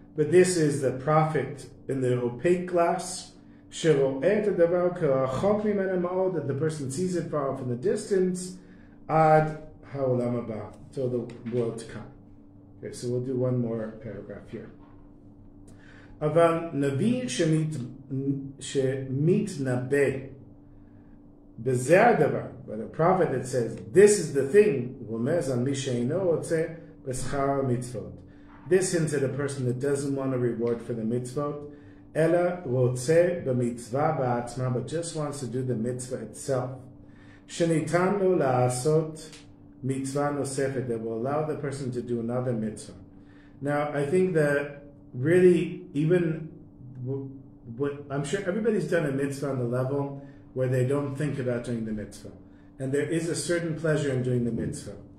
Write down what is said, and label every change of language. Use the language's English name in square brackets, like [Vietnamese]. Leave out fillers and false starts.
[English] But this is the prophet in the opaque glass. [Hebrew] Shero'et adabar k'rachok mimena ma'od. [English] That the person sees it far off in the distance. [Hebrew] Ad ha'olam haba. [English] Till the world to come. Okay, so we'll do one more paragraph here. [Hebrew] אבל נביא שמתנבא בזה הדבר, [English] but a prophet that says this is the thing, [Hebrew] רומז על מי שאינו רוצה בשכר המצוות. [English] This hints at a person that doesn't want a reward for the mitzvot, [Hebrew] אלא רוצה במצווה בעצמה, [English] but just wants to do the mitzvah itself. [Hebrew] שניתן לו לעשות מצווה נוספת, [English] that will allow the person to do another mitzvah. Now, I think that really, even what I'm sure everybody's done a mitzvah on the level where they don't think about doing the mitzvah, and there is a certain pleasure in doing the mitzvah.